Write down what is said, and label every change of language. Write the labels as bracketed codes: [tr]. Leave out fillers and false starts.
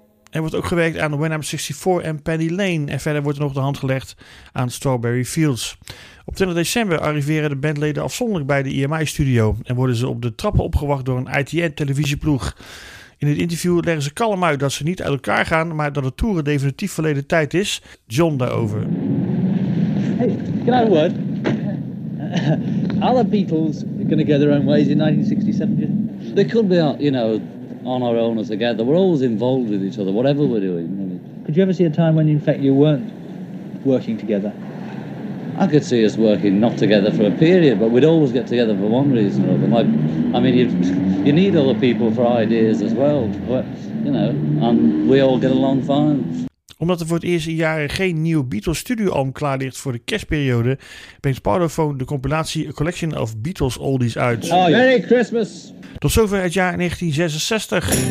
[nl] Er wordt ook gewerkt aan When I'm 64 en Penny Lane. En verder wordt er nog de hand gelegd aan Strawberry Fields. Op 20 december arriveren de bandleden afzonderlijk bij de EMI-studio. En worden ze op de trappen opgewacht door een ITN-televisieploeg. In het interview leggen ze kalm uit dat ze niet uit elkaar gaan, maar dat de toeren definitief verleden tijd is. John daarover. [en] Hey, can I have a word? Are the Beatles going to go their own ways in 1967? They could be, you know, on our own as together. We're always involved with each other, whatever we're doing. Could you ever see a time when, in fact, you weren't working together? I could see us working not together for a period, but we'd always get together for one reason or other. You need other people for ideas as well, but, you know, and we all get along fine. [nl] Omdat er voor het eerst in jaren geen nieuw Beatles studioalbum klaar ligt voor de kerstperiode, brengt Parlophone de compilatie A Collection of Beatles Oldies uit. [en] Oh, yeah. Merry Christmas! [nl] Tot zover het jaar 1966.